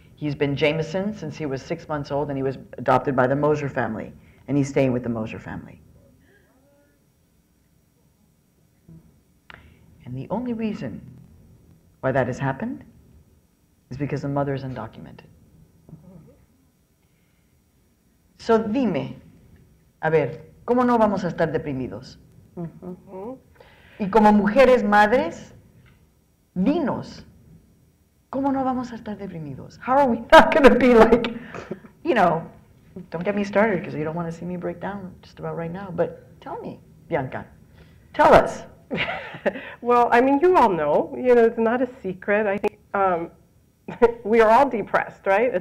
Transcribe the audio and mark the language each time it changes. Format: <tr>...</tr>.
<en>He's been Jameson since he was 6 months old, and he was adopted by the Moser family, and he's staying with the Moser family. And the only reason why that has happened is because the mother is undocumented.</en> <es>So dime, a ver, ¿cómo no vamos a estar deprimidos? Mm-hmm. Y como mujeres madres, dinos, ¿cómo no vamos a estar deprimidos?</es> <en>How are we not going to be like, you know, don't get me started because you don't want to see me break down just about right now, but tell me, Bianca, tell us. Well, I mean, you all know, you know, it's not a secret. I think we are all depressed, right?</en>